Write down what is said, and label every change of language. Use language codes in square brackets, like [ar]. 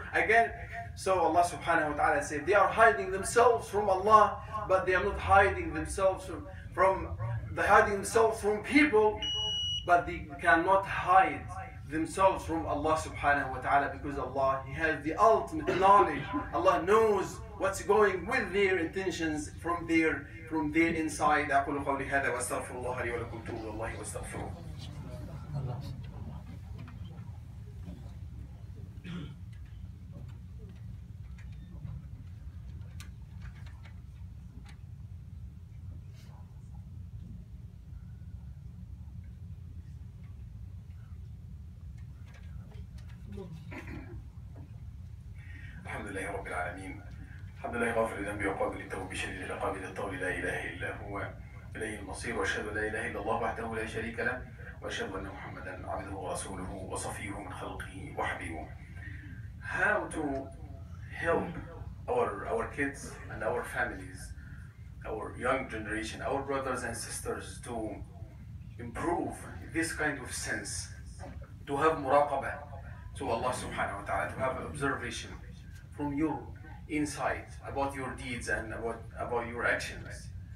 [en] Again, so Allah subhanahu wa ta'ala said, they are hiding themselves from Allah, but they are not hiding themselves from they're hiding themselves from people, but they cannot hide themselves from Allah subhanahu wa ta'ala, because Allah, He has the ultimate knowledge. Allah knows what's going with their intentions from their inside. [ar] أقول قولي هذا واستغفر الله لي ولكم طول الله واستغفره. الحمد لله رب العالمين. الحمد لله غافر الذنب وقابل التوب شديد العقاب ذي الطول لا اله الا هو اليه المصير. واشهد ان لا اله الا الله وحده لا شريك له. واشهد ان محمدا عبده ورسوله وصفيه من خلقه وحبيبه. [en] How to help our kids and our families, our young generation, our brothers and sisters to improve this kind of sense, to have muraqabah to Allah subhanahu wa ta'ala, to have observation from your insight about your deeds and about your actions.